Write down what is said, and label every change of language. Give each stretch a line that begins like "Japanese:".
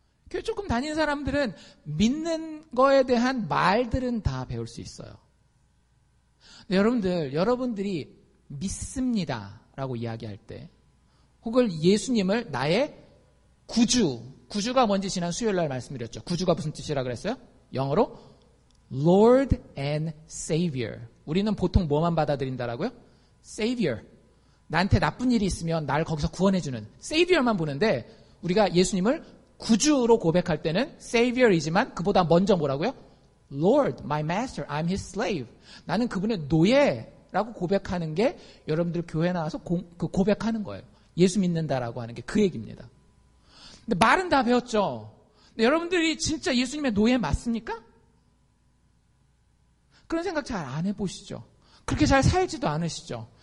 Korean: 교회 조금 다니는 사람들은 믿는 거에 대한 말들은 다 배울 수 있어요. 여러분들, 여러분들이 믿습니다 라고 이야기할 때 혹은 예수님을 나의 구주, 구주가 뭔지 지난 수요일날 말씀드렸죠. 구주가 무슨 뜻이라고 그랬어요? 영어로
English: Lord and Savior.
Korean: 우리는 보통 뭐만 받아들인다라고요?
English: Savior.
Korean: 나한테 나쁜 일이 있으면 날 거기서 구원해주는 Savior만 보는데 우리가 예수님을 구주로 고백할 때는 Savior이지만 그보다 먼저 뭐라고요?
English: Lord, my master, I'm his slave.
Korean: 나는 그분의 노예라고 고백하는 게 여러분들 교회 나와서 고백하는 거예요. 예수 믿는다라고 하는 게 그 얘기입니다. 근데 말은 다 배웠죠. 근데 여러분들이 진짜 예수님의 노예 맞습니까? 그런 생각 잘 안 해보시죠. 그렇게 잘 살지도 않으시죠.